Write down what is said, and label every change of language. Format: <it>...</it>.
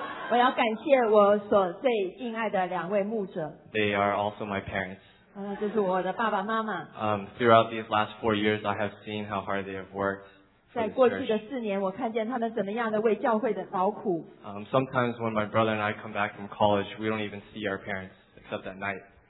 <zh>我要感谢我所最敬爱的两位牧者。</zh> <en>They are also my parents.</en> <zh>就是我的爸爸妈妈。</zh> <en>Throughout these last 4 years, I have seen how hard they have worked.</en> <zh>在过去的四年，我看见他们怎么样的为教会的劳苦。</zh> <en>Sometimes when my brother and I come back from college, we don't even see our parents except at night.</en>